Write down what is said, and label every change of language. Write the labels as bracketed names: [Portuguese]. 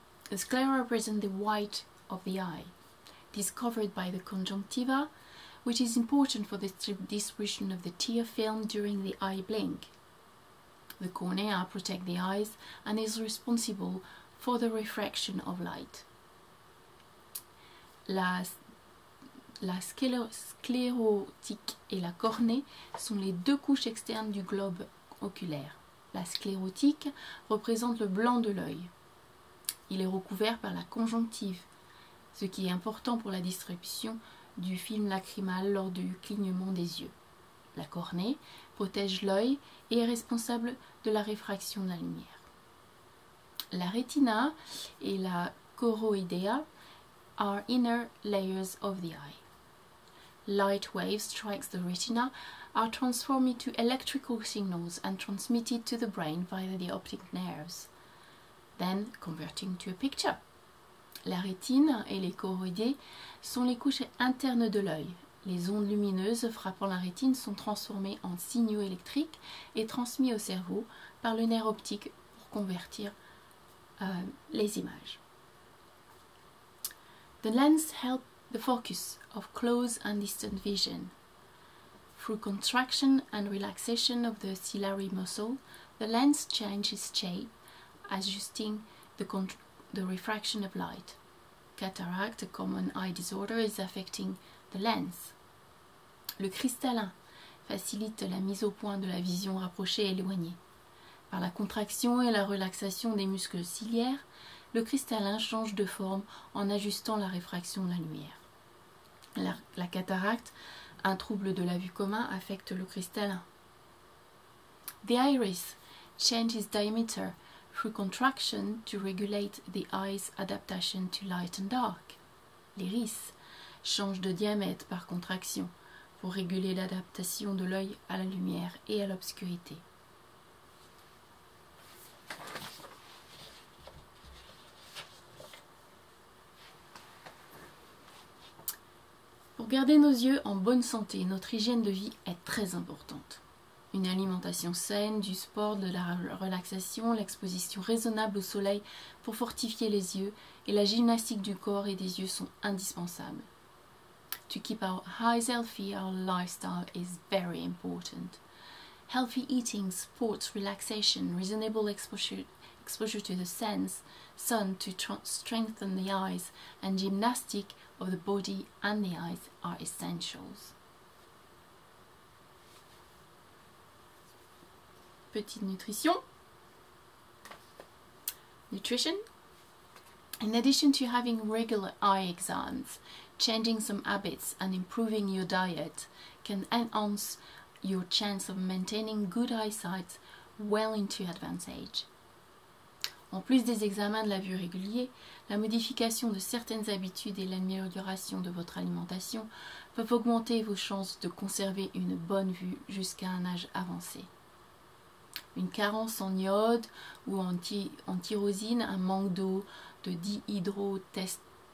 [English] The sclera represents the white of the eye. It is covered by the conjunctiva, which is important for the distribution of the tear film during the eye blink. The cornea protects the eyes and is responsible for the refraction of light. [French] La sclérotique et la cornée sont les deux couches externes du globe oculaire. La sclérotique représente le blanc de l'œil. Il est recouvert par la conjonctive, ce qui est important pour la distribution du film lacrymal lors du clignement des yeux. La cornée protège l'œil et est responsable de la réfraction de la lumière. La rétina et la choroidea [English] are inner layers of the eye. Light waves strikes the retina are transformed into electrical signals and transmitted to the brain via the optic nerves, then converting to a picture. [French] La rétine et les choroïdées sont les couches internes de l'œil. Les ondes lumineuses frappant la rétine sont transformées en signaux électriques et transmises au cerveau par le nerf optique pour convertir les images. [English] The lens helps the focus of close and distant vision. Through contraction and relaxation of the ciliary muscle, the lens changes shape, adjusting the refraction of light. Cataract, a common eye disorder, is affecting the lens. [French] Le cristallin facilite la mise au point de la vision rapprochée et éloignée. Par la contraction et la relaxation des muscles ciliaires, le cristallin change de forme en ajustant la réfraction de la lumière. La cataracte, un trouble de la vue commun, affecte le cristallin. [English] The iris changes diameter through contraction to regulate the eye's adaptation to light and dark. [French] L'iris change de diamètre par contraction pour réguler l'adaptation de l'œil à la lumière et à l'obscurité. Pour garder nos yeux en bonne santé, notre hygiène de vie est très importante. Une alimentation saine, du sport, de la relaxation, l'exposition raisonnable au soleil pour fortifier les yeux et la gymnastique du corps et des yeux sont indispensables. [English] To keep our eyes healthy, our lifestyle is very important. Healthy eating, sports, relaxation, reasonable exposure to the sun to strengthen the eyes and gymnastic of the body and the eyes are essentials. [French] Petite nutrition. [English] Nutrition. In addition to having regular eye exams, changing some habits and improving your diet can enhance your chance of maintaining good eyesight well into advanced age. [French] En plus des examens de la vue réguliers, la modification de certaines habitudes et l'amélioration de votre alimentation peuvent augmenter vos chances de conserver une bonne vue jusqu'à un âge avancé. Une carence en iode ou en tyrosine, un manque d'eau, de dihydrotestostérone